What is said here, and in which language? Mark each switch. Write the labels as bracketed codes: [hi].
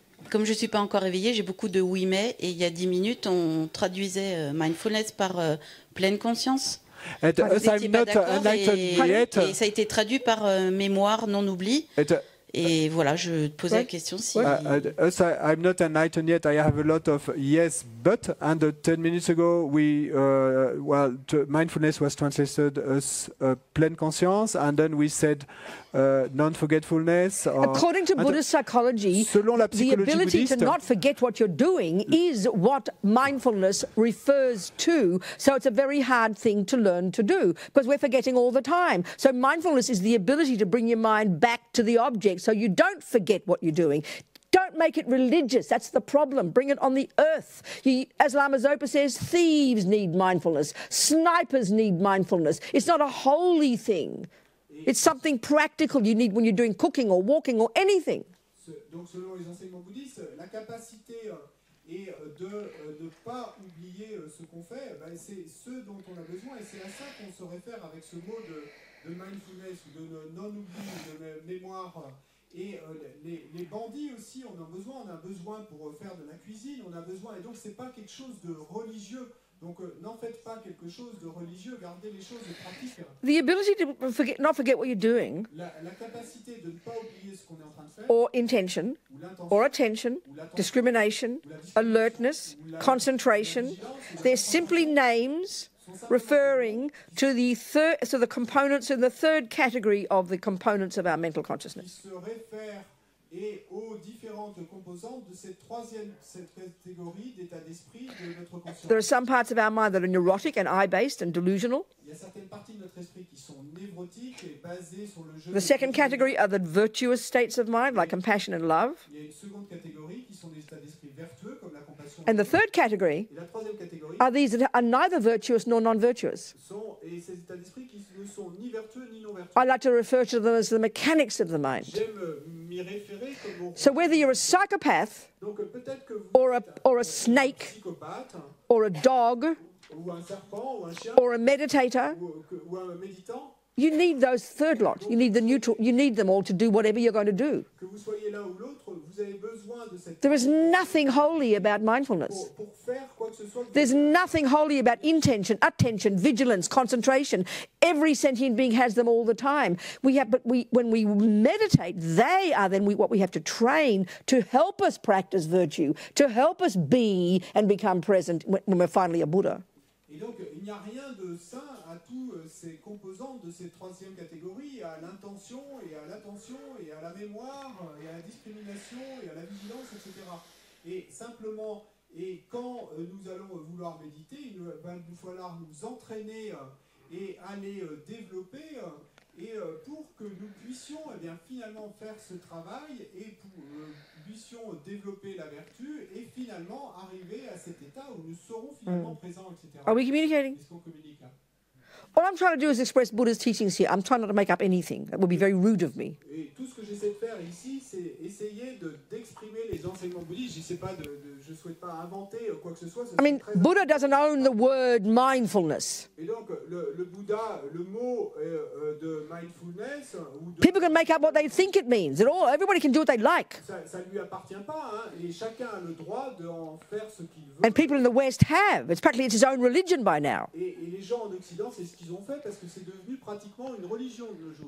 [fr] Comme je ne suis pas encore réveillée, j'ai beaucoup de oui mais, et il y a 10 minutes, on traduisait mindfulness par pleine conscience. [en] And us, I'm not enlightened yet. [fr] Et ça a été traduit par mémoire non oubli. Et voilà, je te posais la question si. [en] I'm not enlightened yet. I have a lot of yes, but and 10 minutes ago we mindfulness was translated as [fr] pleine conscience, [en] and then we said non-forgetfulness. According to Buddhist psychology, [fr] selon la psychologie [en] the ability [fr] Buddhiste, [en] to not forget what you're doing is what mindfulness refers to. So it's a very hard thing to learn to do because we're forgetting all the time. So mindfulness is the ability to bring your mind back to the object so you don't forget what you're doing. Don't make it religious. That's the problem. Bring it on the earth. As Lama Zopa says, thieves need mindfulness. Snipers need mindfulness. It's not a holy thing. It's something practical you need when you're doing cooking or walking or anything. [fr] Donc selon les enseignements bouddhistes, la capacité est de ne pas oublier ce qu'on fait, c'est ce dont on a besoin et c'est à ça qu'on se réfère avec ce mot de mindfulness, de non-oubli, de mémoire. Et les bandits aussi, on a besoin pour faire de la cuisine, on a besoin, et donc c'est pas quelque chose de religieux. Donc n'en faites pas quelque chose de religieux, gardez les choses pratiques. [en] The ability to not forget what you're doing. [fr] La capacité de ne pas oublier ce qu'on est en train de faire. [en] Or intention. Or attention. Discrimination. Alertness. Concentration. They're simply names referring to the third, so the components in the third category of the components of our mental consciousness. [fr] Se réfère et aux différentes composantes de cette troisième cette catégorie d'état d'esprit de notre conscience. [en] There are some parts of our mind that are neurotic and eye-based and delusional. [fr] Il y a certaines parties de notre esprit qui sont névrotiques et basées sur le jeu. [en] The second category are the virtuous states of mind, like compassion and love. [fr] Il y a une seconde catégorie qui sont des états d'esprit vertueux comme la compassion. [en] And the third category are these that are neither virtuous nor non-virtuous. [fr] Et ces états d'esprit qui ne sont ni vertueux ni non vertueux. [en] I like to refer to them as the mechanics of the mind. [fr] J'aime m'y référer comme on. [en] So whether you're a psychopath, [fr] donc peut-être que vous [en] or a snake, or a dog, [fr] ou un serpent, ou un chien, [en] or a meditator, [fr] ou un méditant, [en] you need those third lot. You need the neutral. You need them all to do whatever you're going to do. [fr] Que vous soyez l'un ou l'autre, vous avez besoin de cette. [en] There is nothing holy about mindfulness. There's nothing holy about intention, attention, vigilance, concentration. Every sentient being has them all the time. When we meditate, they are then what we have to train to help us practice virtue, to help us be and become present when we're finally a Buddha. [fr] Et donc, il n'y a rien de sain à tous ces composants de ces troisième catégorie, à l'intention et à l'attention et à la mémoire et à la discrimination et à la vigilance, etc. Et simplement, et quand nous allons vouloir méditer, il va nous falloir nous entraîner et aller développer et pour que nous puissions eh bien, finalement faire ce travail et pour puissions développer la vertu et finalement arriver à cet état où nous serons finalement présents, etc. [en] Are we communicating? [fr] Est-ce qu'on communique? [en] All I'm trying to do is express Buddha's teachings here. I'm trying not to make up anything. That would be very rude of me. [fr] Et tout ce que j'essaie de faire ici, c'est essayer d'exprimer les enseignements bouddhistes. Je ne souhaite pas inventer quoi que ce soit. [en] I mean, Buddha doesn't own the word mindfulness. [fr] Et donc, le Bouddha, le mot de mindfulness... [en] People can make up what they think it means. At all. Everybody can do what they like. [fr] Ça ne lui appartient pas, hein. Et chacun a le droit d'en faire ce qu'il veut. [en] And people in the West have. It's practically his own religion by now. [fr] Et les gens en Occident, c'est ce qu'ils ont fait parce que c'est devenu pratiquement une religion de nos jours.